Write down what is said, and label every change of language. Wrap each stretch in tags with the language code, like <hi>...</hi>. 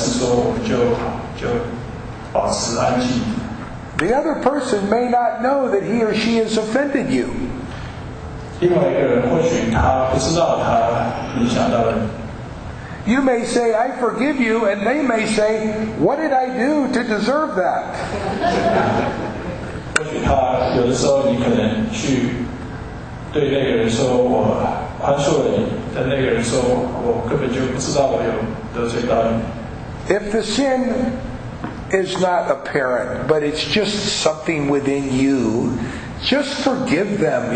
<zh>所以下一步就是说，我们是不是应该去那个人跟他讲说，我宽恕了你，还是说我们就保持安静？</zh> <en>The other person may not know that he or she has offended you.</en> <zh>另外一个人或许他不知道他影响到了你。</zh> <en>You may say, I forgive you, and they may say, what did I do to deserve that? If the sin is not apparent, but it's just something within you, just forgive them.</en>